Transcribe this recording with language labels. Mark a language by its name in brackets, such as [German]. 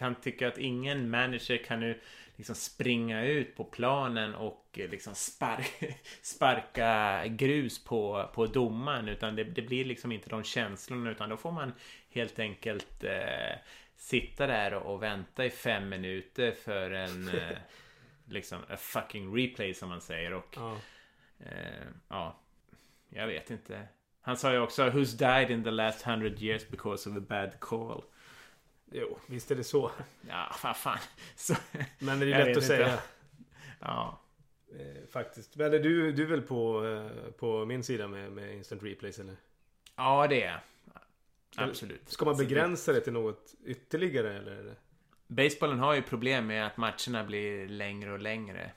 [Swedish] Han tycker att ingen manager kan nu liksom springa ut på planen och liksom sparka grus på domaren. Utan det blir liksom inte de känslorna, utan då får man helt enkelt sitta där och vänta i 5 minuter för en liksom [English] a fucking replay, [Swedish] som man säger. Och ja. Jag vet inte. Han sa ju också, [English] who's died in the last 100 years because of a bad call? [Swedish] Jo, visst är det så. Ja, vad fan. Så, men det är ju lätt att inte säga. Ja. Faktiskt. Men är du väl på min sida med instant replays, eller? Ja, det är. Absolut. Ska man begränsa det till något ytterligare, eller? Baseballen har ju problem med att matcherna blir längre och längre.